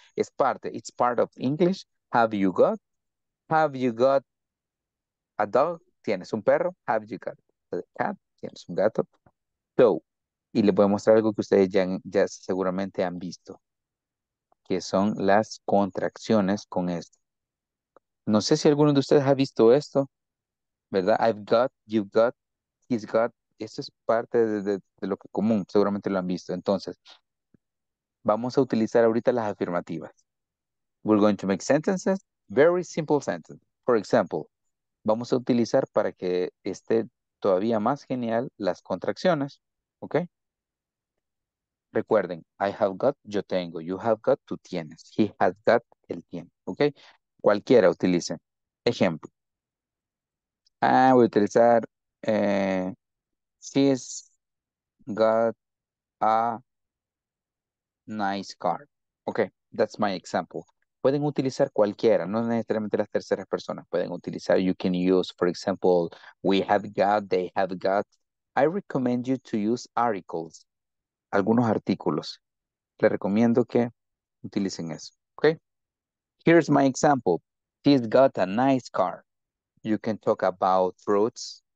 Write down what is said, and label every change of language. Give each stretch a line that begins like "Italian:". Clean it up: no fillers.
Spanish: Es parte,
English: it's part of English, have you got a dog,
Spanish: tienes un perro,
English: have you got a cat,
Spanish: tienes un gato, so, y les voy a mostrar algo que ustedes ya seguramente han visto. Que son las contracciones con esto. No sé si alguno de ustedes ha visto esto, ¿verdad?
English: I've got, you've got, he's got.
Spanish: Esto es parte de lo que común, seguramente lo han visto. Entonces, vamos a utilizar ahorita las afirmativas. We're going to make sentences, very simple sentences.
English: For example,
Spanish: vamos a utilizar para que esté todavía más genial las contracciones, ¿ok? Recuerden,
English: I have got,
Spanish: yo tengo.
English: You have got,
Spanish: tú tienes.
English: He has got,
Spanish: él tiene. ¿Ok? Cualquiera utilice. Ejemplo. Voy a utilizar
English: she's got a nice car. ¿Ok? That's my example.
Spanish: Pueden utilizar cualquiera, no necesariamente las terceras personas. Pueden utilizar,
English: you can use, for example, we have got, they have got. I recommend you to use articles.
Spanish: Algunos artículos. Le recomiendo que utilicen eso. Okay.
English: Here's my example. She's got a nice car. You can talk about fruits.